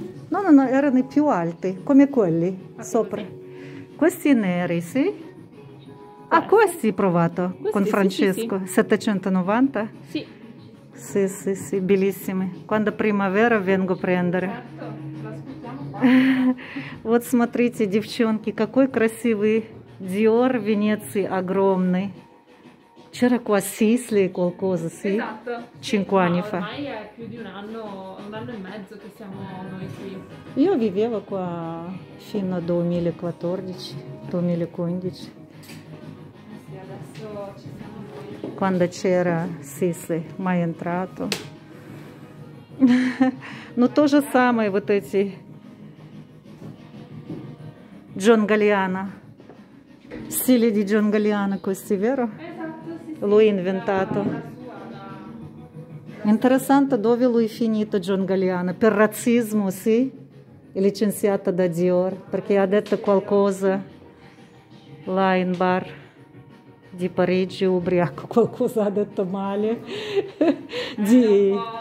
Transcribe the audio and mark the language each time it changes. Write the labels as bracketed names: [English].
[Italian] No, no, no, erano i più alti, come quelli sopra. Questi neri, sì. Ah, questi ho provato con Francesco, 790. Sì. Sì, sì, sì, bellissimi. Quando primavera vengo a prendere. [Russian] Вот смотрите, девчонки, какой красивый Dior Венеции, огромный. [Italian] C'era qua Sisley qualcosa, sì? Esatto. Cinque anni fa. Ormai è più di un anno e mezzo che siamo noi qui. Io vivevo qua fino al 2014, 2015. Sì, adesso ci siamo noi. Quando c'era Sisley, mai entrato. [Russian] No, to же самое, вот эти... [Italian] Джон Галиано. Стиле ди Джон Галиано questi, vero? Lui inventato. Interessante dove lui è finito, John Galliano. Per razzismo, sì? È licenziato da Dior. Perché ha detto qualcosa là in bar di Parigi, ubriaco. Qualcosa ha detto male. Di...